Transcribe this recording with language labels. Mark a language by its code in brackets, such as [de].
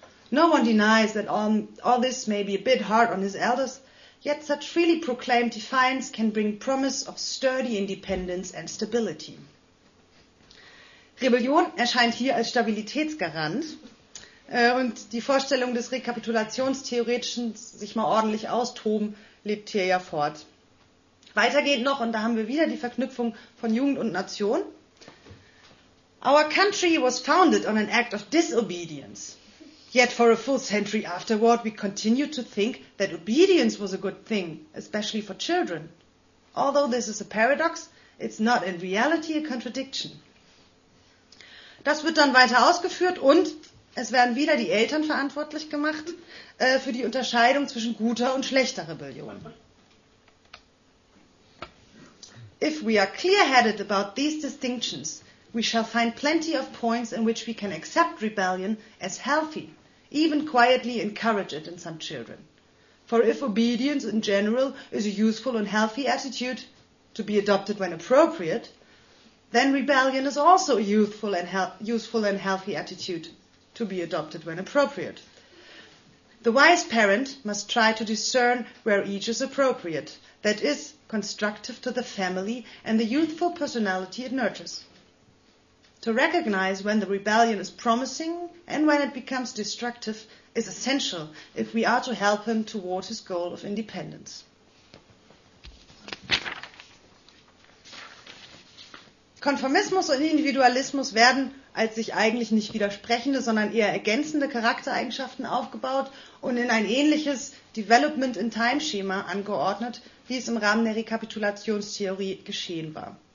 [en] No one denies that all this may be a bit hard on his elders, yet such freely proclaimed defiance can bring promise of sturdy independence and stability." [de] Rebellion erscheint hier als Stabilitätsgarant und die Vorstellung des Rekapitulationstheoretischen, sich mal ordentlich austoben, lebt hier ja fort. Weiter geht noch, und da haben wir wieder die Verknüpfung von Jugend und Nation: [en] "Our country was founded on an act of disobedience. Yet for a full century afterward we continued to think that obedience was a good thing, especially for children. Although this is a paradox, it's not in reality a contradiction." [de] Das wird dann weiter ausgeführt und es werden wieder die Eltern verantwortlich gemacht für die Unterscheidung zwischen guter und schlechter Rebellion. [en] "If we are clear-headed about these distinctions, we shall find plenty of points in which we can accept rebellion as healthy, even quietly encourage it in some children. For if obedience in general is a useful and healthy attitude to be adopted when appropriate, then rebellion is also a useful and healthy attitude to be adopted when appropriate. The wise parent must try to discern where each is appropriate, that is, constructive to the family and the youthful personality it nurtures. To recognize when the rebellion is promising and when it becomes destructive is essential if we are to help him toward his goal of independence." [de] Konformismus und Individualismus werden als sich eigentlich nicht widersprechende, sondern eher ergänzende Charaktereigenschaften aufgebaut und in ein ähnliches Development-in-Time-Schema angeordnet, wie es im Rahmen der Rekapitulationstheorie geschehen war.